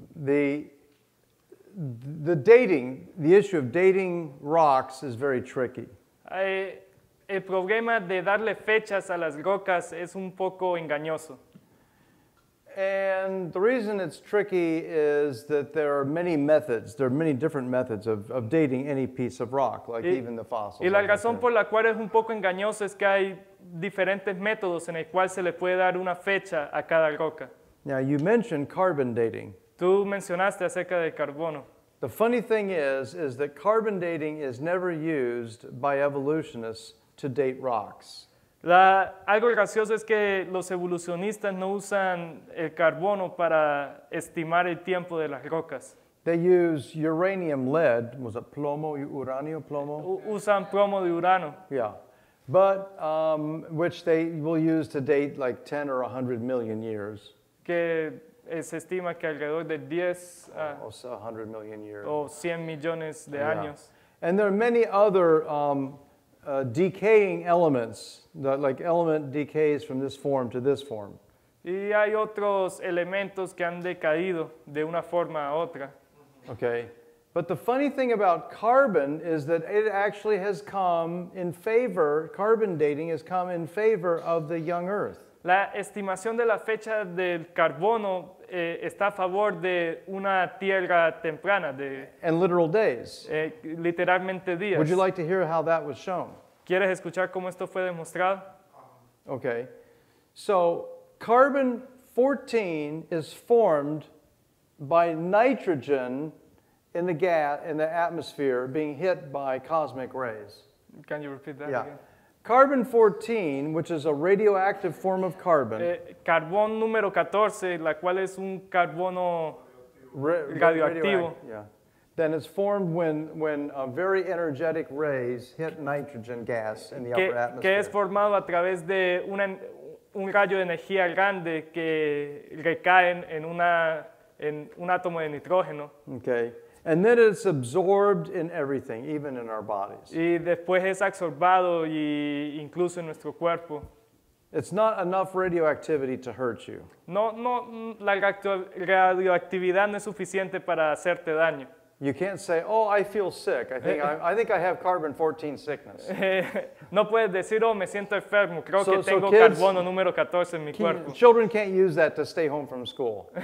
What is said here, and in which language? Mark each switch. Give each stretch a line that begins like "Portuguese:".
English: The dating, the issue of dating rocks is very tricky.
Spanish: El problema de darle fechas a las rocas es un poco engañoso.
English: And the reason it's tricky is that there are many methods. There are many different methods of dating any piece of rock, like even the fossils.
Spanish: Y la razón por la cual es un poco engañoso es que hay diferentes métodos en el cual se le puede dar una fecha a cada roca.
English: Now you mentioned carbon dating.
Spanish: Tú mencionaste acerca del carbono.
English: The funny thing is that carbon dating is never used by evolutionists to date rocks.
Spanish: Algo gracioso es que los evolucionistas no usan el carbono para estimar el tiempo de las rocas.
English: They use uranium lead. Was it plomo?
Spanish: Uranio, plomo? Usan plomo de urano.
English: Yeah. But which they will use to date like 10 or 100 million years.
Spanish: Que se estima que alrededor de 10
English: o 100 million years.
Spanish: O 100 millones de años.
English: And there are many other decaying elements, that like element decays from this form to this form.
Spanish: Y hay otros elementos que han decaído de una forma a otra.
English: Okay. But the funny thing about carbon is that it actually has come in favor, carbon dating has come in favor of the young Earth.
Spanish: La estimación de la fecha del carbono está a favor de una tierra temprana.
English: And literal days.
Spanish: Literalmente días.
English: Would you like to hear how that was shown?
Spanish: ¿Quieres escuchar cómo esto fue demostrado?
English: Okay. So, carbon 14 is formed by nitrogen in the gas in the atmosphere being hit by cosmic rays. Can you repeat that again? Carbon 14, which is a radioactive form of carbon.
Spanish: Carbón número 14, la cual es un carbono radioactivo.
English: Then it's formed when a very energetic rays hit nitrogen gas in the upper atmosphere.
Spanish: Que es formado a través de un rayo de energía grande que recae en un átomo de nitrógeno.
English: Okay. And then it's absorbed in everything, even in our bodies.
Spanish: Y después es absorbado y incluso en nuestro cuerpo.
English: It's not enough radioactivity to hurt you.
Spanish: No, la radioactividad no es suficiente para hacerte daño.
English: You can't say, "Oh, I feel sick. I think I have carbon 14 sickness."
Spanish: No puedes decir, "Oh, me siento enfermo. Creo que tengo carbono número 14 en mi cuerpo."
English: Children can't use that to stay home from school.